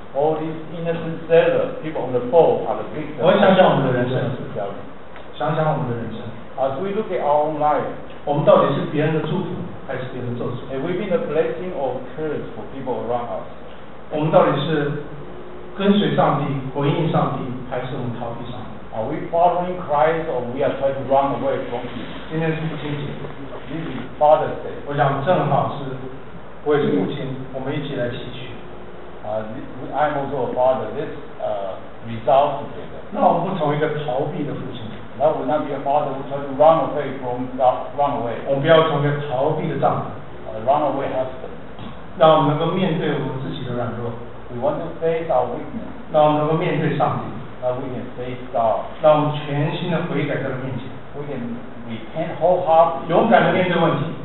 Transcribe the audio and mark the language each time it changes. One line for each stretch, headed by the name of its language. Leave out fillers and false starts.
English: All these innocent sailors, people on the boat are the victims.
Chinese: 我们想想我们的人生，想想我们的人生。
English: As we look at our own life,
Chinese: 我们到底是别人的祝福，还是别人的咒诅？
English: Have we been a blessing or curse for people around us?
Chinese: 我们到底是跟随上帝，回应上帝，还是我们逃避上帝？
English: Are we following Christ or we are trying to run away from him?
Chinese: 今天是父亲节。
English: This is Father's Day.
Chinese: 我想正好是，我也是母亲，我们一起来祈取。
English: I'm also a father. Let's resolve together.
Chinese: 那我们不成为一个逃避的父亲。
English: That would not be a father who tries to run away from God, run away.
Chinese: 我们不要成为一个逃避的丈夫。
English: Run away husband.
Chinese: 那我们能够面对我们自己的软弱。
English: We want to face our weakness.
Chinese: 那我们能够面对上帝。
English: That we can face God.
Chinese: 那我们全心的悔改在他面前。
English: We can repent wholeheartedly.
Chinese: 勇敢的面对问题。